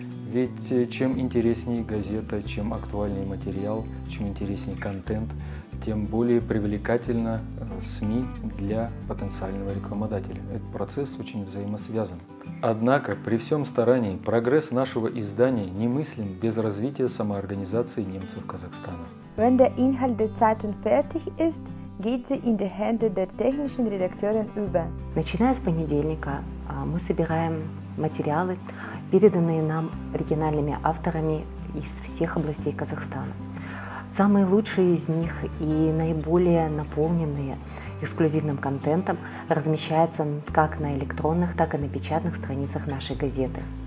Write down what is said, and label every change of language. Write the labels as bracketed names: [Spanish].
[Russian] Ведь чем интереснее газета, чем актуальнее материал, чем интереснее контент, тем более привлекательно СМИ для потенциального рекламодателя. Этот процесс очень взаимосвязан. Однако, при всем старании, прогресс нашего издания немыслим без развития самоорганизации немцев Казахстана. [German] Wenn der Inhalt der Zeitung fertig ist, geht sie in die Hände der technischen Redakteurin über. [Russian] Начиная с понедельника, мы собираем материалы, переданные нам оригинальными авторами из всех областей Казахстана. Самые лучшие из них и наиболее наполненные эксклюзивным контентом размещаются как на электронных, так и на печатных страницах нашей газеты.